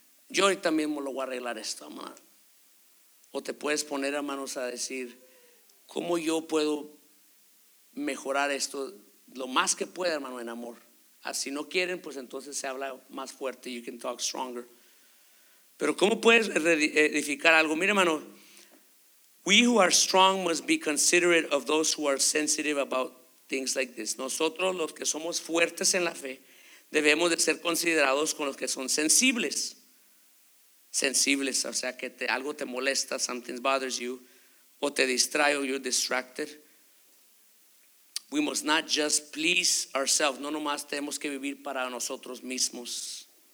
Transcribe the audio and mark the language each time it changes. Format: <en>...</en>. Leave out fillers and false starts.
<es>Yo ahorita mismo lo voy a arreglar esto, hermano. O te puedes poner a manos a decir, ¿cómo yo puedo mejorar esto? Lo más que pueda, hermano, en amor. Si no quieren, pues entonces se habla más fuerte.</es> <en>You can talk stronger.</en> <es>Pero ¿cómo puedes edificar algo? Mira, hermano,</es> <en>we who are strong must be considerate of those who are sensitive about things like this.</en> <es>Nosotros, los que somos fuertes en la fe, debemos de ser considerados con los que son sensibles. Sensibles, o sea, que algo te molesta,</es> <en>something bothers you,</en> <es>o te distrae, o</es> <en>you're distracted. We must not just please ourselves.</en> <es>No nomás tenemos que vivir para nosotros mismos.</es>